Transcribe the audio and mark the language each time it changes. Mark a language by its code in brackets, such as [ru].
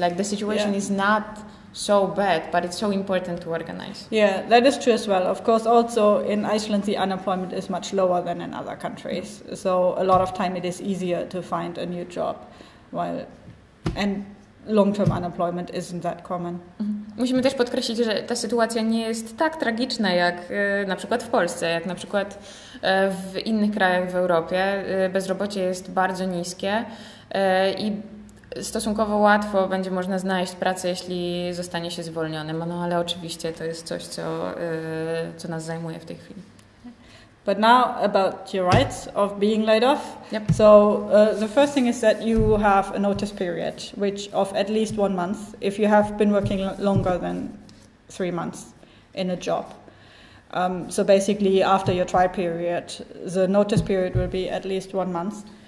[en] Like, the situation is not so bad, but it's so important to organize. Yeah, that is true as well. Of course, also in Iceland, the unemployment is much lower than in other countries. Mm. So a lot of time it is easier to find a new job, and long-term unemployment isn't that common. [pl] Musimy też podkreślić, że ta sytuacja nie jest tak tragiczna jak na przykład w Polsce, jak na przykład w innych krajach w Europie. Bezrobocie jest bardzo niskie i stosunkowo łatwo będzie można znaleźć pracę, jeśli zostanie się zwolnionym. No ale oczywiście to jest coś, co nas zajmuje w tej chwili. [en] But now about your rights of being laid off. Yep. So the first thing is that you have a notice period, which of at least 1 month, if you have been working longer than 3 months in a job. So basically after your trial period, the notice period will be at least 1 month.